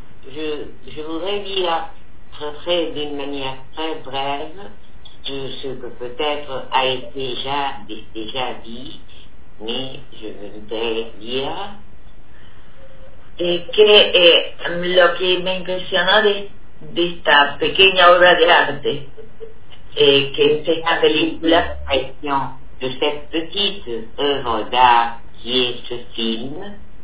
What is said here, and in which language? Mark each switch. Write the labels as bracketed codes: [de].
[fr] je voudrais dire très d'une manière très brève de ce que peut-être a été déjà dit, mais je voudrais dire [es] Lo que me impresionó de esta pequeña obra de arte, que es esta película, [fr] de cette petite œuvre d'art qui est ce film,